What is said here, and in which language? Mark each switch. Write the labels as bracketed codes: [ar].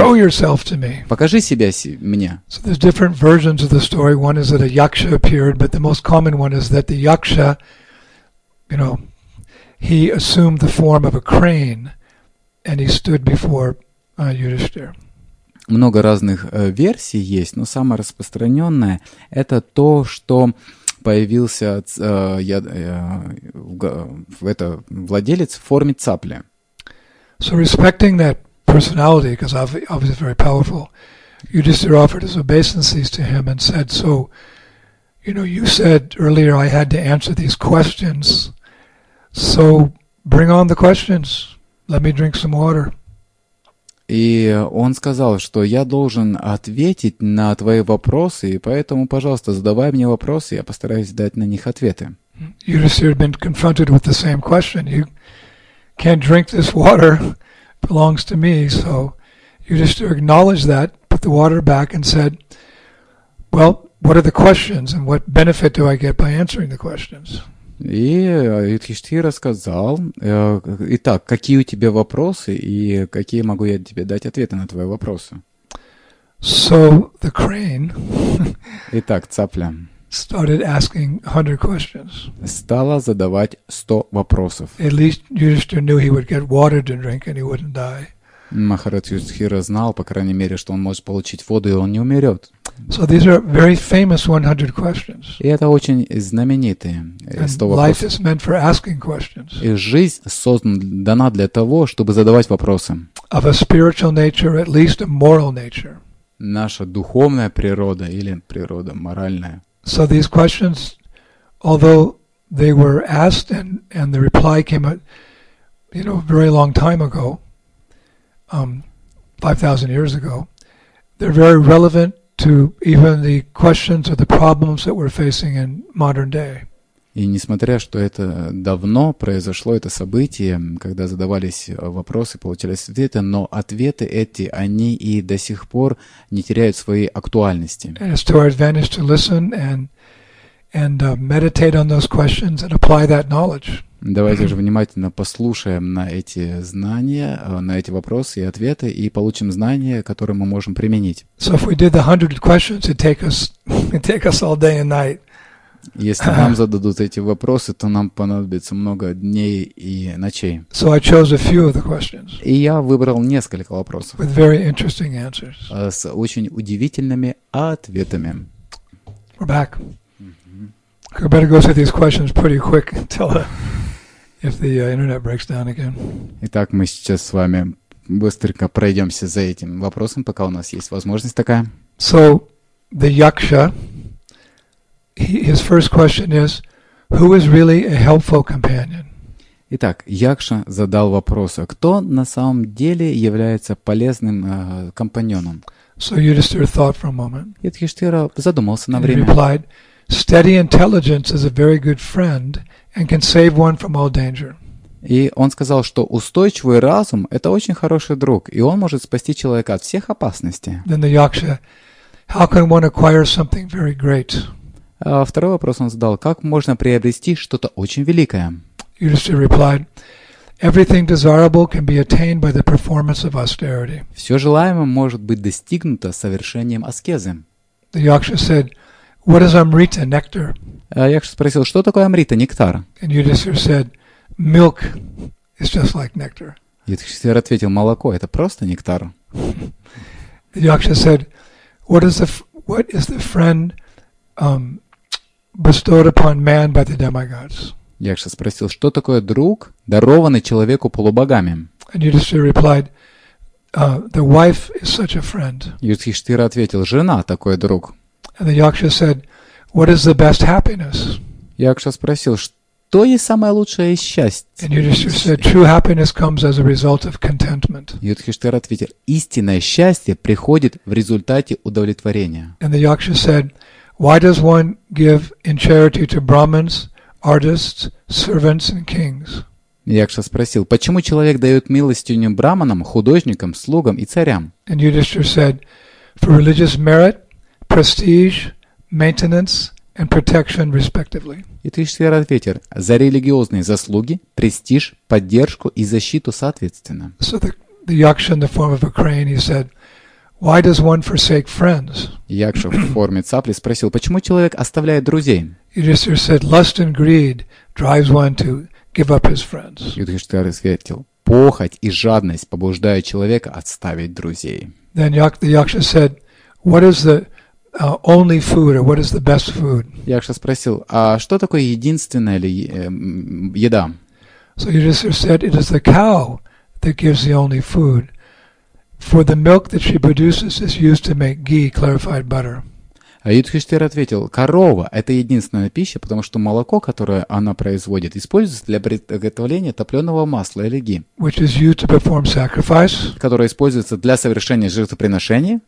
[en] Show yourself to me. [ru] Покажи себя мне. [en] So there's different versions of the story. One is that a yaksha appeared, but the most common one is that the yaksha, you know, he assumed the form of a crane and he stood before Yudhishthira. [ru] Много разных версий есть, но самое распространенное это то, что появился владелец в форме цапли. [en] So respecting that personality, because obviously very powerful, Yudhishthira offered his obeisances to him and said, "So, you know, you said earlier I had to answer these questions. So bring on the questions. Let me drink some water." [ru] И он сказал, что я должен ответить на твои вопросы, и поэтому, пожалуйста, задавай мне вопросы, я постараюсь дать на них ответы. [en] Yudhishthira had been confronted with the same question. You can't drink this water. It belongs to me. So Yudhishthira acknowledged that, put the water back and said, "Well, what are the questions and what benefit do I get by answering the questions?" [ru] И Юдхиштхира сказал, «Итак, какие у тебя вопросы, и какие могу я тебе дать ответы на твои вопросы?» [en] So the crane [ru] Итак, цапля [en] started asking 100 questions. [ru] Стала задавать 100 вопросов. [en] At least Yudhishthira knew he would get water to drink and he wouldn't die. [ru] Махарад Юдхиштхира знал, по крайней мере, что он может получить воду, и он не умерет. [en] So these are very famous 100 questions. [ru] И это очень знаменитые 100 [en] life is meant for asking questions. [ru] И жизнь создана, дана для того, чтобы задавать вопросы. [en] Of a spiritual nature, at least a moral nature. [ru] Наша духовная природа или природа моральная. [en] So these questions, although they were asked and the reply came out, you know, very long time ago, 5,000 years ago, they're very relevant to even the questions or the problems that we're facing in modern day. [ru] И несмотря, что это давно произошло, это событие, когда задавались вопросы, получались ответы, но ответы эти, они и до сих пор не теряют своей актуальности. [en] And it's to our advantage to listen and meditate on those questions and apply that knowledge. [ru] Давайте же внимательно послушаем на эти знания, на эти вопросы и ответы, и получим знания, которые мы можем применить. [en] So if we did the 100 questions, it'd take us all day and night. [ru] Если нам зададут эти вопросы, то нам понадобится много дней и ночей. [en] So I chose a few of the questions. [ru] И я выбрал несколько вопросов. [en] With very interesting answers. [ru] С очень удивительными ответами. [en] We're back. Mm-hmm. We better go through these questions pretty quick until if the internet breaks down again. [ru] Итак, мы сейчас с вами быстренько пройдемся за этим вопросом, пока у нас есть возможность такая. [en] So, the yaksha, his first question is, who is really a helpful companion? [ru] Итак, Якша задал вопрос, а кто на самом деле является полезным компаньоном? [en] So Yudhishthira thought for a moment. [ru] Юдхиштхира задумался на время. [en] He replied, steady intelligence is a very good friend and can save one from all danger. [ru] И он сказал, что устойчивый разум — это очень хороший друг, и он может спасти человека от всех опасностей. [en] Then the yaksha, how can one acquire something very great? [ru] Второй вопрос он задал, как можно приобрести что-то очень великое? [en] Yudhishthira replied, everything desirable can be attained by the performance of austerity. [ru] Все желаемое может быть достигнуто совершением аскезы. [en] The yaksha said, what is amrita, nectar? [ru] Якша спросил, что такое амрита, нектар? [en] And Yudhishthira said, milk is just like nectar. [ru] Юдхиштхира ответил, молоко — это просто нектар. [en] The yaksha said, what is the friend bestowed upon man by the demigods? [ru] Якша спросил, что такое друг, дарованный человеку полубогами? [en] And Yudhishthira replied, the wife is such a friend. [ru] Юдхиштхира ответил, жена — такой друг. [en] And the yaksha said, what is the best happiness? [ru] Якша спросил, что есть самое лучшее счастье? [en] And Yudhishthira said, true happiness comes as a result of contentment. [ru] Юдхиштхира ответил, истинное счастье приходит в результате удовлетворения. [en] And the yaksha said, why does one give in charity to Brahmins, artists, servants and kings? [ru] Якша спросил, почему человек дает милостыню браманам, художникам, слугам и царям? [en] And Yudhishthira said, for religious merit, prestige, maintenance, and protection, respectively. [ru] И Тишвер ответил: за религиозные заслуги, престиж, поддержку и защиту соответственно. [en] So the Yaksha in the form of a crane, he said, why does one forsake friends? [ru] Yaksha в форме цапли спросил, почему человек оставляет друзей? [en] Yudhishthira said, lust and greed drives one to give up his friends. [ru] Yudhishthira ответил, похоть и жадность побуждают человека отставить друзей. [en] Then the Yaksha said, what is the only food, or what is the best food? [ru] Yaksha спросил, а что такое единственная ли еда? [en] So Yudhishthira said, it is the cow that gives the only food. For the milk that she produces is used to make ghee, clarified butter. [ru] А Юдхиштхира ответил, корова – это единственная пища, потому что молоко, которое она производит, используется для приготовления топленого масла или ги, [en] which is used to perform sacrifice, [ru] которое используется для совершения жертвоприношения,